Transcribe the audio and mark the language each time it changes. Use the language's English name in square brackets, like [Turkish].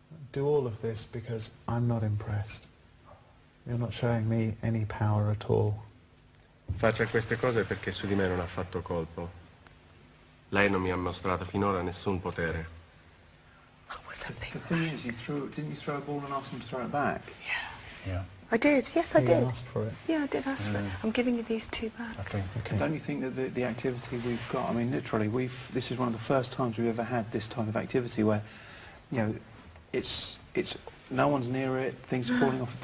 [English] Do all of this because I'm not impressed. You're not showing me any power at all. [Italian] Faccia queste cose perché su di me non ha fatto colpo. Lei non mi ha mostrato finora nessun potere. [English] What was a big the thing is, you threw, didn't you throw a ball and ask him to throw it back? Yeah. I did, yes I did. You asked for it. Yeah, I did ask for it. I'm giving you these two back. Okay. Don't you think that the activity we've got, I mean literally, this is one of the first times we've ever had this type of activity where, you know, it's no one's near it, things are falling off.